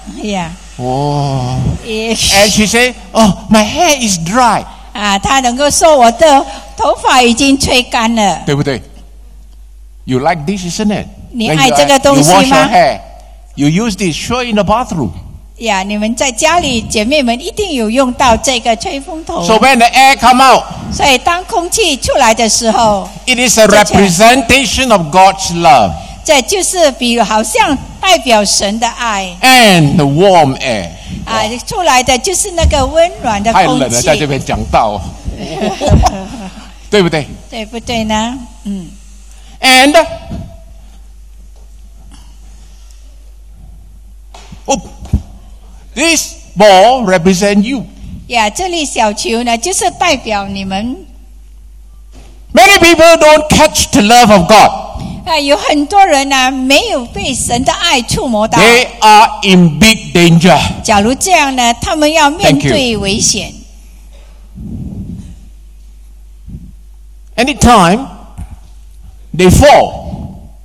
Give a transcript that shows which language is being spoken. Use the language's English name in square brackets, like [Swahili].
[English] And she say, oh, my hair is dry. [Chinese] 她能够说我的头发已经吹干了。对不对? [English] You like this, isn't it? [Chinese] 你爱这个东西吗? [English] You wash your hair. You use this, sure, in the bathroom. [Chinese] Yeah, 你们在家里姐妹们一定有用到这个吹风筒。 [English] So when the air come out, [Chinese] 所以当空气出来的时候 [English] It is a representation of God's love. [Chinese] 这就是比如好像代表神的爱 [English] And the warm air. [Chinese] 出来的就是那个温暖的空气。太冷了在这边讲道。对不对对不对呢、 [English] And this ball represents you. [Chinese] 这里小球呢就是代表你们。 [English] Many people don't catch the love of God. [Chinese] 有很多人呢没有被神的爱触摸到。 [English] They are in big danger. [Chinese] 假如这样呢他们要面对危险。 [English] Anytime they fall.